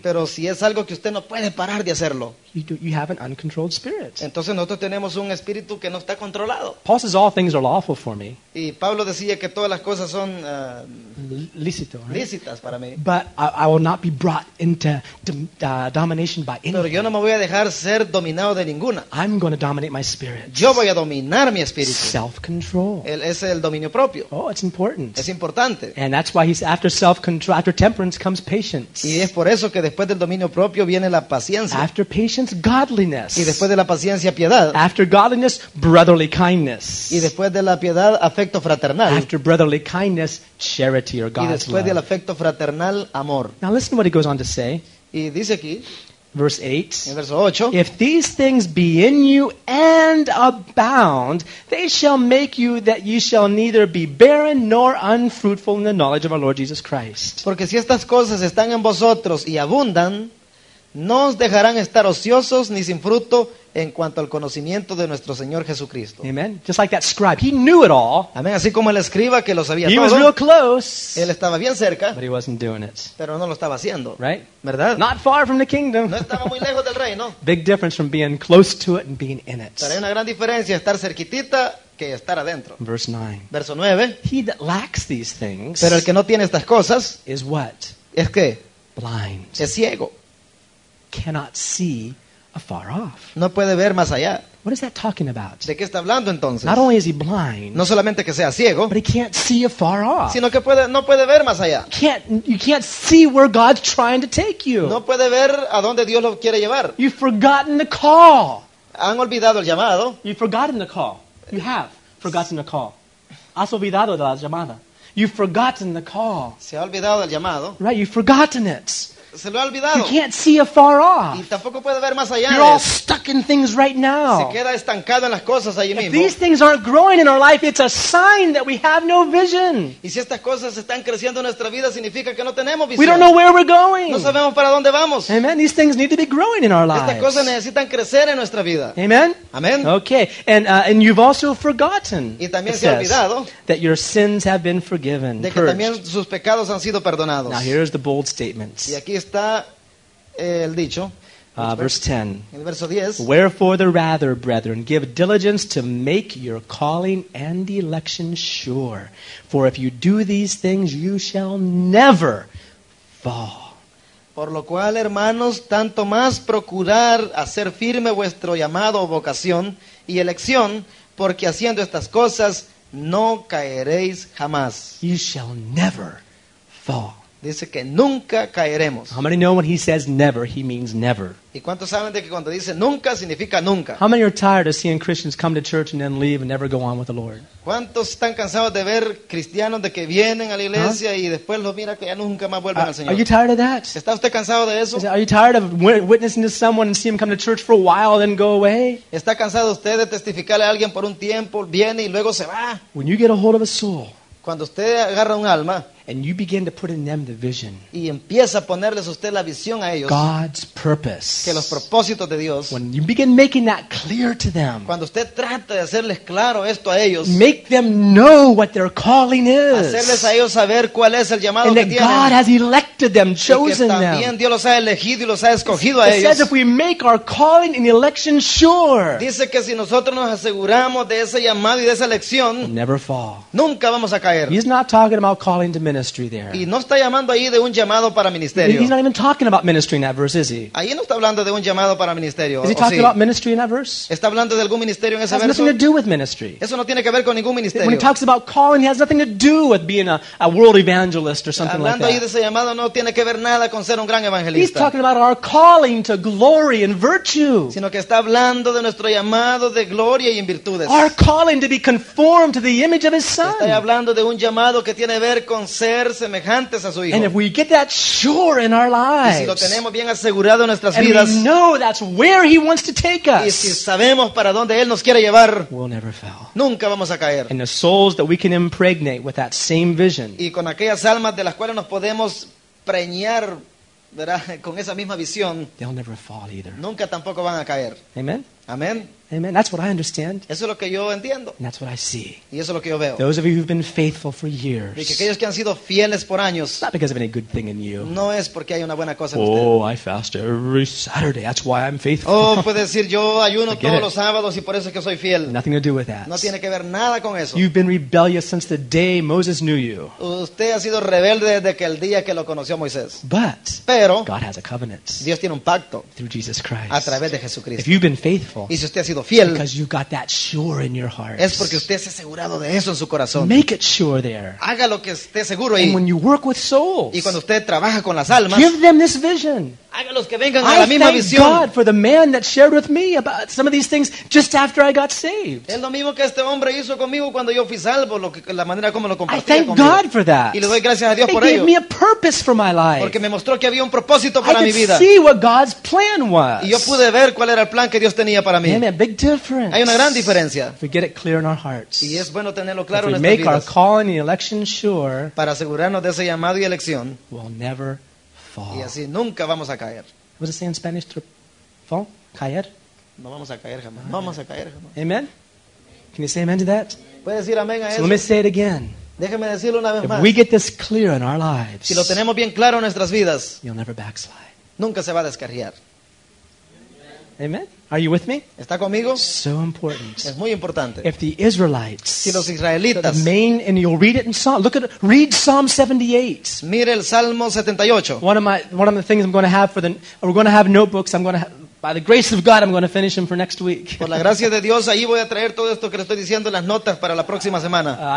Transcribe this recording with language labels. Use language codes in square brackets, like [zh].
[es] Pero si es algo que usted no puede parar de hacerlo. [en] You have an uncontrolled spirit. [es] Entonces nosotros tenemos un espíritu que no está controlado. [en] Paul says all things are lawful for me. [es] Y Pablo decía que todas las cosas son lícitas, [en] right? [es] Lícitas para mí. [en] But I will not be brought into domination by anything. [es] Pero yo no me voy a dejar ser dominado de ninguna. [en] I'm going to dominate my spirit. [es] Yo voy a dominar mi espíritu. [en] Self-control. [es] Es el dominio propio. [en] Oh, it's important. [es] Es importante. [en] And that's why he's after self-control, after temperance comes patience. [es] Y es por eso que después del dominio propio viene la paciencia. [en] After patience, godliness. [es] Y después de la paciencia, piedad. [en] After godliness, brotherly kindness. [es] Y después de la piedad, afecto fraternal. [en] After brotherly kindness, charity or God's love. [es] Y después del afecto fraternal, amor. [en] Now listen to what he goes on to say. [es] Y dice aquí, [en] verse 8, [es] en verso 8, [en] if these things be in you and abound, they shall make you that you shall neither be barren nor unfruitful in the knowledge of our Lord Jesus Christ. [es] Porque si estas cosas están en vosotros y abundan, no os dejarán estar ociosos ni sin fruto en cuanto al conocimiento de nuestro Señor Jesucristo. [en] Amen. Just like that scribe, he knew it all. [es] Amen. Así como el escriba que lo sabía [en] he [es] todo. [en] He was real close. [es] Él estaba bien cerca. [en] But he wasn't doing it. [es] Pero no lo estaba haciendo. [en] Right? [es] ¿Verdad? [en] Not far from the kingdom. [es] No estaba muy lejos del reino. [en] Big difference from being close to it and being in it. [es] Pero hay una gran diferencia estar cerquitita que estar adentro. [en] Verse 9. He that lacks these things. [es] Pero el que no tiene estas cosas. [en] Is what? [es] Es que. [en] Blind. [es] Es ciego. [en] Cannot see afar off. [es] No puede ver más allá. [en] What is that talking about? [es] ¿De qué está hablando entonces? [en] Not only is he blind, [es] no solamente que sea ciego, [en] but he can't see afar off. [es] Sino que puede, no puede ver más allá. [en] You can't see where God's trying to take you. [es] No puede ver a dónde Dios lo quiere llevar. [en] You've forgotten the call. [es] Han olvidado el llamado. [en] You've forgotten the call. You have forgotten the call. [es] Has olvidado la llamada. [en] You've forgotten the call. [es] Se ha olvidado el llamado. [en] Right, you've forgotten it. [es] Se lo ha olvidado. [en] You can't see afar off. [es] Y tampoco puede ver más allá. [en] You're all stuck in things right now. [es] Se queda estancado en las cosas ahí mismo. [en] If these things aren't growing in our life, it's a sign that we have no vision. [es] Y si estas cosas están creciendo en nuestra vida, significa que no tenemos visión. [en] We don't know where we're going. [es] No sabemos para dónde vamos. [en] Amen. These things need to be growing in our lives. [es] Estas cosas necesitan crecer en nuestra vida. [en] Amen. Amen. Okay. And you've also forgotten. [es] Y también se ha olvidado. [en] That your sins have been forgiven. [es] De que también sus pecados han sido perdonados. [en] Now here's the bold statement. [es] Y aquí está el dicho. [en] Verse 10. [es] El verso 10. [en] Wherefore the rather, brethren, give diligence to make your calling and election sure. For if you do these things, you shall never fall. [es] Por lo cual, hermanos, tanto más procurar hacer firme vuestro llamado, vocación y elección, porque haciendo estas cosas no caeréis jamás. [en] You shall never fall. [es] Dice que nunca caeremos. [en] How many know when he says never, he means never? [es] ¿Y cuántos saben de que cuando dice nunca significa nunca? [en] How many are tired of seeing Christians come to church and then leave and never go on with the Lord? [es] ¿Cuántos están cansados de ver cristianos de que vienen a la iglesia y después los mira que ya nunca más vuelven al Señor? [en] Are you tired of that? [es] ¿Está usted cansado de eso? [en] Are you tired of witnessing to someone and seeing him come to church for a while and then go away? [es] ¿Está cansado usted de testificarle a alguien por un tiempo, viene y luego se va? [en] When you get a hold of a soul, [es] cuando usted agarra un alma, [en] and you begin to put in them the vision, [es] y empieza a ponerles usted la visión a ellos, [en] God's purpose, [es] que los propósitos de Dios, [en] when you begin making that clear to them, [es] cuando usted trata de hacerles claro esto a ellos, [en] make them know what their calling is, [es] hacerles a ellos saber cuál es el llamado [en] and [es] que [en] that [es] tienen, [en] God has elected them, chosen them, [es] y que también Dios los ha elegido y los ha escogido [en] it, [es] a [en] it [es] ellos. [en] It says if we make our calling and election sure, [es] dice que si nosotros nos aseguramos de ese llamado y de esa elección, [en] we'll never fall, [es] nunca vamos a caer. [en] He's not talking about calling to ministry there. [es] Y no está llamando ahí de un llamado para ministerio. [en] He's not even talking about ministry in that verse, is he? [es] Ahí no está hablando de un llamado para ministerio. [en] Is he talking about ministry in that verse? [es] Está hablando de algún ministerio en ese verso. [en] Has nothing to do with ministry. [es] Eso no tiene que ver con ningún ministerio. [en] When he talks about calling, he has nothing to do with being a world evangelist or something [es] hablando [en] like that. [es] Hablando ahí de ese llamado no tiene que ver nada con ser un gran evangelista. [en] He's talking about our calling to glory and virtue. [es] Sino que está hablando de nuestro llamado de gloria y en virtudes. [en] Our calling to be conformed to the image of his son. [es] Está hablando de un llamado que tiene ver con ser semejantes a su hijo. [en] And if we get that sure in our lives, [es] y si lo tenemos bien asegurado en nuestras vidas, [en] and we know that's where he wants to take us, [es] y si sabemos para dónde él nos quiere llevar, [en] we'll never fail. [es] Nunca vamos a caer. [en] And the souls that we can impregnate with that same vision, [es] y con aquellas almas de las cuales nos podemos preñar, ¿verdad? Con esa misma visión, [en] they'll never fall either. [es] Nunca tampoco van a caer. [en] Amen. Amen. Amen. That's what I understand. [es] Eso es lo que yo entiendo. [en] And that's what I see. [es] Y eso es lo que yo veo. [en] Those of you who've been faithful for years. [es] Y que aquellos que han sido fieles por años. [en] Not because of any good thing in you. [es] No es porque hay una buena cosa en oh, usted. [en] I fast every Saturday. That's why I'm faithful. [es] Oh, puede decir yo ayuno todos los sábados y por eso es que soy fiel. [en] Nothing to do with that. [es] No tiene que ver nada con eso. [en] You've been rebellious since the day Moses knew you. [es] Usted ha sido rebelde desde que el día que lo conoció Moisés. [en] But [es] pero [en] God has a covenant. [es] Dios tiene un pacto. [en] Through Jesus Christ. [es] A través de Jesucristo. [en] If you've been faithful. [es] Y si usted ha sido fiel, [en] because you got that sure in your heart. [es] Es porque usted se ha asegurado de eso en su corazón. [en] Make it sure there. [es] Hágalo que esté seguro ahí. [en] And when you work with souls, [es] y cuando usted trabaja con las almas, [en] give them this vision. [es] Hágalos que vengan a la misma [en] thank [es] visión. [en] God for the man that shared with me about some of these things just after I got saved. [es] Es lo mismo que este hombre hizo conmigo cuando yo fui salvo, lo que, la manera como lo compartió. [en] I thank [es] conmigo. [en] God for that. [es] Y le doy gracias a Dios [en] it [es] por [en] gave [es] ello. [en] Me a purpose for my life. [es] Porque me mostró que había un propósito para [en] I [es] mi vida. [en] I could see what God's plan was. [es] Y yo pude ver cuál era el plan que Dios tenía para mí. [en] Amen. Big difference. [es] Hay una gran diferencia. [en] If we get it clear in our hearts. [es] Y es bueno tenerlo claro [en] if [es] en [en] we make [es] vidas, [en] our calling and election sure. [es] Para asegurarnos de ese llamado y elección. [en] We'll never fall. [es] Y así nunca vamos a caer. [en] What does it say in Spanish? To fall? Caer? [es] No vamos a caer jamás. Amen. No vamos a caer jamás. [en] Amen? Can you say amen to that? [es] ¿Puedes decir amén a [en] so [es] eso? [en] Let me say it again. [es] Déjeme decirlo una vez [en] if [es] más. [en] We get this clear in our lives. [es] Si lo tenemos bien claro en nuestras vidas. [en] You'll never backslide. [es] Nunca se va a descarriar. [en] Amen? Are you with me? [es] ¿Está conmigo? [en] So important. [es] Es muy importante. [en] If the Israelites, [es] si los israelitas, [en] the main, and you'll read it in Psalm. Look at, read Psalm 78. [es] Mire el Salmo 78. [en] One of the things I'm going to have for the, we're going to have notebooks. I'm going to, have, by the grace of God, I'm going to finish them for next week. [es] Por la gracia de Dios, ahí voy a traer todo esto que le estoy diciendo las notas para la próxima semana.